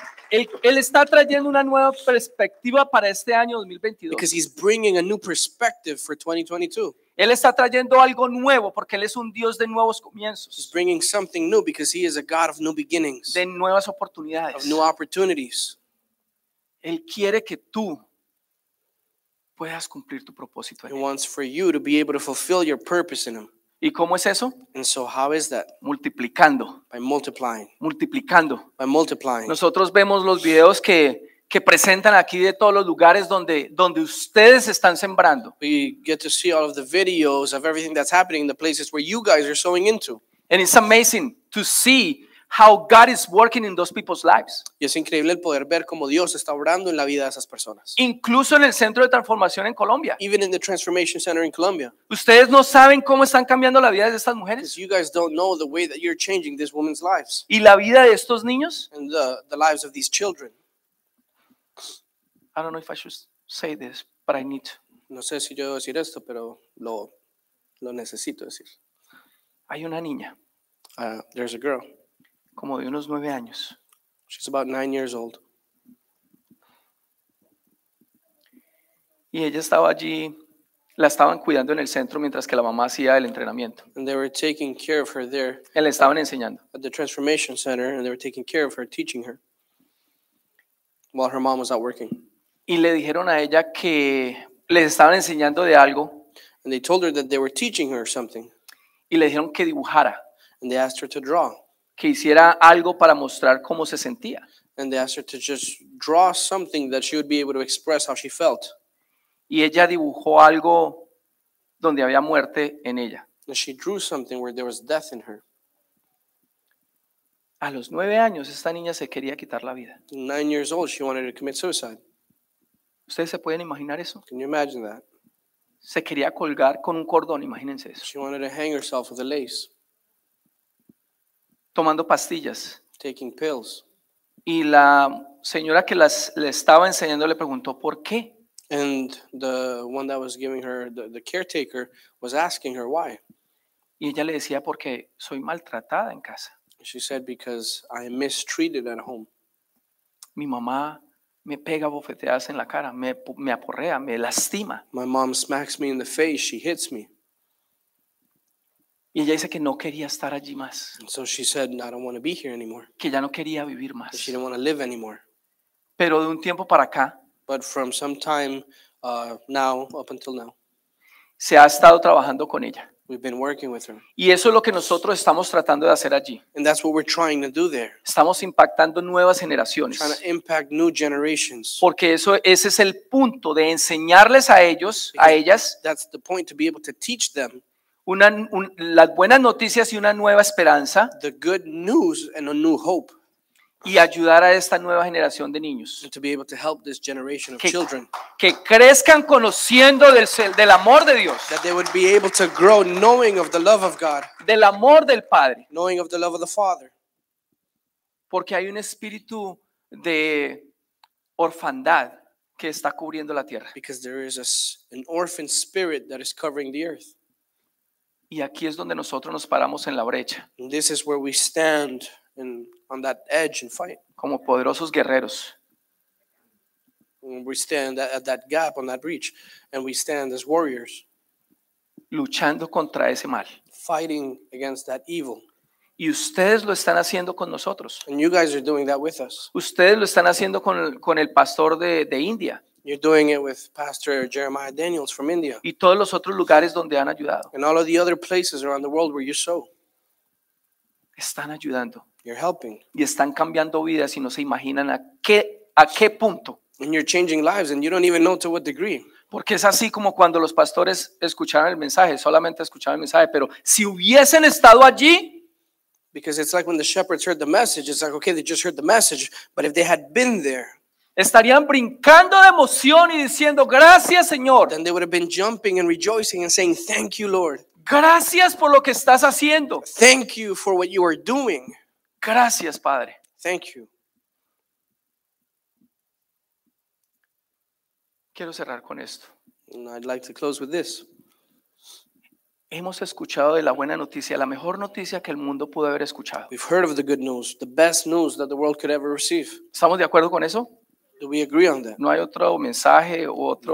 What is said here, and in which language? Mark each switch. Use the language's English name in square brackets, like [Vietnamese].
[Spanish] Él está trayendo una nueva perspectiva para este año 2022. [English] Because he's bringing a new perspective for 2022. [Spanish] Él está trayendo algo nuevo porque Él es un Dios de nuevos comienzos. [English] He's bringing something new because He is a God of new beginnings. [Spanish] De nuevas oportunidades. [English] Of new opportunities. [Spanish] Él quiere que tú puedas cumplir tu propósito en Él. [English] He wants for you to be able to fulfill your purpose in Him. [Spanish] ¿Y cómo es eso? [English] And so how is that? [Spanish] Multiplicando. [English] By multiplying. [Spanish] Multiplicando. [English] By multiplying. [Spanish] Nosotros vemos los videos que presentan aquí de todos los lugares donde ustedes están sembrando. [English] We get to see all of the videos of everything that's happening in the places where you guys are sowing into. And it's amazing to see how God is working in those people's lives. [Spanish] Y es increíble el poder ver cómo Dios está obrando en la vida de esas personas. Incluso en el centro de transformación en Colombia. [English] Even in the transformation center in Colombia. [Spanish] Ustedes no saben cómo están cambiando la vida de estas mujeres. [English] Because you guys don't know the way that you're changing these women's lives. [Spanish] Y la vida de estos niños. [English] And the lives of these children. I don't know if I should say this, but I need to. [Spanish] No sé si yo debo decir esto, pero lo necesito decir. Hay una niña. [English] There's a girl. [Spanish] Como de unos 9 años. [English] She's about 9 years old. [Spanish] Y ella estaba allí, la estaban cuidando en el centro mientras que la mamá hacía el entrenamiento. [English] And they were taking care of her there. [Spanish] Y le estaban enseñando. [English] At the transformation center, and they were taking care of her, teaching her, while her mom was out working. [Spanish] Y le dijeron a ella que les estaban enseñando de algo. [English] And they told her that they were teaching her something. [Spanish] Y le dijeron que dibujara. [English] And they asked her to draw. [Spanish] Que hiciera algo para mostrar cómo se sentía. [English] And they asked her to just draw something that she would be able to express how she felt. [Spanish] Y ella dibujó algo donde había muerte en ella. [English] And she drew something where there was death in her. [Spanish] A los 9 años, esta niña se quería quitar la vida. [English] 9 years old, she wanted to commit suicide. [Spanish] ¿Ustedes se pueden imaginar eso? [English] Can you imagine that? [Spanish] Se quería colgar con un cordón, imagínense eso. [English] She wanted to hang herself with a lace. [Spanish] Tomando pastillas. [English] Taking pills. [Spanish] Y la señora que las le estaba enseñando le preguntó por qué. [English] And the one that was giving her, the caretaker, was asking her why. [Spanish] Y ella le decía porque soy maltratada en casa. [English] She said because I am mistreated at home. [Spanish] Mi mamá me pega bofeteadas en la cara, me aporrea, me lastima. [English] My mom smacks me in the face, she hits me. [Spanish] Y ella dice que no quería estar allí más. [English] And so she said, I don't want to be here anymore. [Spanish] Que ya no quería vivir más. [English] She didn't want to live anymore. [Spanish] Pero de un tiempo para acá. [English] But from some time now, up until now. [Spanish] Se ha estado trabajando con ella. [English] We've been working with her. [Spanish] Y eso es lo que nosotros estamos tratando de hacer allí. [English] And that's what we're trying to do there. [Spanish] Estamos impactando nuevas generaciones. [English] Trying to impact new generations. [Spanish] Porque eso, ese es el punto de enseñarles a ellos, a ellas. [English] That's the point, to be able to teach them. [Spanish] Las buenas noticias y una nueva esperanza. [English] The good news and a new hope. [Spanish] Y ayudar a esta nueva generación de niños. [English] And to be able to help this generation of children. [Spanish] Que crezcan conociendo del amor de Dios. [English] That they would be able to grow knowing of the love of God. [Spanish] Del amor del Padre. [English] Knowing of the love of the Father. [Spanish] Porque hay un espíritu de orfandad que está cubriendo la tierra. [English] Because there is an orphan spirit that is covering the earth. [Spanish] Y aquí es donde nosotros nos paramos en la brecha. [English] And this is where we stand and on that edge and fight. [Spanish] Como poderosos guerreros. [English] We stand at that gap, on that breach, and we stand as warriors. [Spanish] Luchando contra ese mal. [English] Fighting against that evil. [Spanish] Y ustedes lo están haciendo con nosotros. [English] And you guys are doing that with us. [Spanish] Ustedes lo están haciendo con el pastor de India. [English] You're doing it with Pastor Jeremiah Daniels from India. [Spanish] Y todos los otros lugares donde han ayudado. [English] And all of the other places around the world where you sow. [Spanish] Están ayudando. [English] You're helping. [Spanish] Y están cambiando vidas y no se imaginan a qué punto. [English] And you're changing lives and you don't even know to what degree. [Spanish] Porque es así como cuando los pastores escucharon el mensaje, solamente escucharon el mensaje, pero si hubiesen estado allí. [English] Because it's like when the shepherds heard the message, it's like, okay, they just heard the message, but if they had been there. [Spanish] Estarían brincando de emoción y diciendo, gracias, Señor. [English] Then they would have been jumping and rejoicing and saying, thank you, Lord. [Spanish] Gracias por lo que estás haciendo. [English] Thank you for what you are doing. [Spanish] Gracias, Padre. [English] Thank you. [Spanish] Quiero cerrar con esto. [English] And I'd like to close with this. [Spanish] Hemos escuchado de la buena noticia, la mejor noticia que el mundo pudo haber escuchado. [English] We've heard of the good news, the best news that the world could ever receive. [Spanish] ¿Estamos de acuerdo con eso? [English] Do we agree on that? [Spanish] No hay otro mensaje u otro.